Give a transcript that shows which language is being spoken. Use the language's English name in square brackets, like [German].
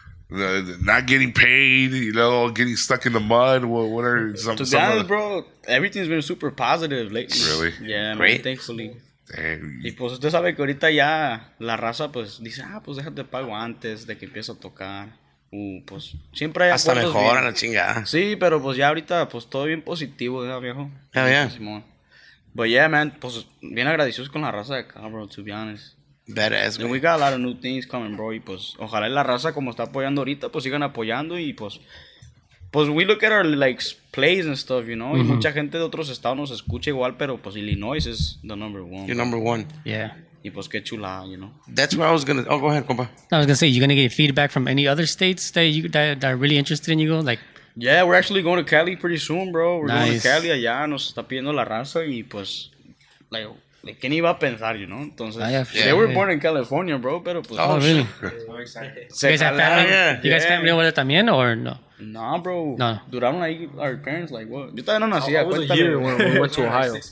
[English] Not getting paid, you know, getting stuck in the mud, whatever. To be honest, bro, everything's been super positive lately. Really? Yeah, great. Man, thankfully. Damn. [Spanish] Y pues usted sabe que ahorita ya la raza pues dice, ah, pues déjate pago antes de que empiece a tocar. Pues siempre hay hasta mejor a la chingada. Sí, pero pues ya ahorita pues todo bien positivo, ¿verdad, viejo? Ya, yeah, ya. [English] Yeah. [Spanish] But yeah, man, pues bien agradecidos con la raza de acá, bro, [English] to be honest. Badass, [Spanish] man. [English] We got a lot of new things coming, [Spanish] bro, y pues ojalá la raza como está apoyando ahorita, pues sigan apoyando y pues... [English] Pues we look at our, like, plays and stuff, you know? [Spanish] Mm-hmm. Y mucha gente de otros estados nos escucha igual, pero pues Illinois [English] is the number one. You're number one. Yeah. [Spanish] Y pues qué chula, you know? [English] That's where I was gonna... Oh, go ahead, compa. I was gonna say, you're gonna get feedback from any other states that you that are really interested in you go? Like... Yeah, we're actually going to Cali pretty soon, bro. We're nice. Going to Cali [Spanish] allá, nos está pidiendo la raza y pues... Like, ¿quién iba a pensar, you know? [English] Entonces, they were born in California, bro, pero pues... Oh, really? So excited. You guys family over there también or no? [Spanish] Nah, bro. No. Duraron ahí [English] our parents, like, what? [Spanish] Yo todavía no nací. [English] I was a year when we went to Ohio.